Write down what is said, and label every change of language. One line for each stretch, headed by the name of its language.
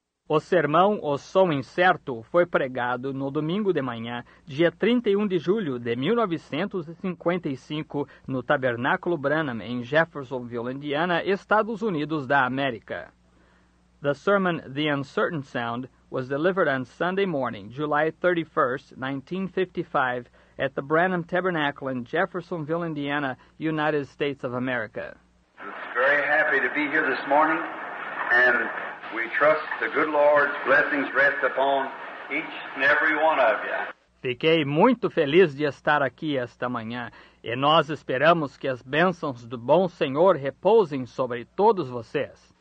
Portuguese: O sermão O Som Incerto foi pregado no domingo de manhã, dia 31 de julho de 1955, no Tabernáculo Branham, em Jeffersonville, Indiana, Estados Unidos da América.
English: The sermon The Uncertain Sound was delivered on Sunday morning, July 31, 1955, at the Branham Tabernacle in Jeffersonville, Indiana, United States of America. It's very happy to be here this morning, and we trust the good Lord's blessings rest upon each and every one of you.
Portuguese: Fiquei muito feliz de estar aqui esta manhã, e nós esperamos que as bênçãos do bom Senhor repousem sobre todos vocês.